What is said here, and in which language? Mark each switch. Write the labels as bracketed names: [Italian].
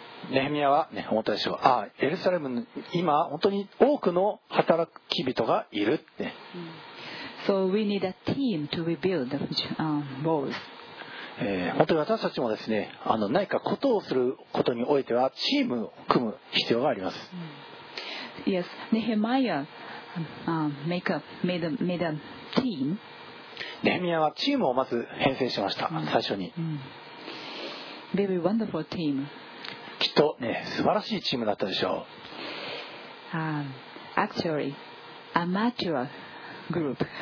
[Japanese] ネヘミヤは、ね、思ったでしょう。ああ、エルサレムに今本当に多くの働き人がいるって。 [English] So we need a team to rebuild the walls. [Japanese] 本当に私たちもですね、何かことをすることにおいてはチームを組む必要があります。 [English] Yes, Nehemiah made a team. [Japanese] ネヘミヤはチームをまず編成しました。最初に。 [English] Very wonderful team. [Japanese] きっとね、素晴らしいチームだったでしょう。 [English] Actually, amateur group.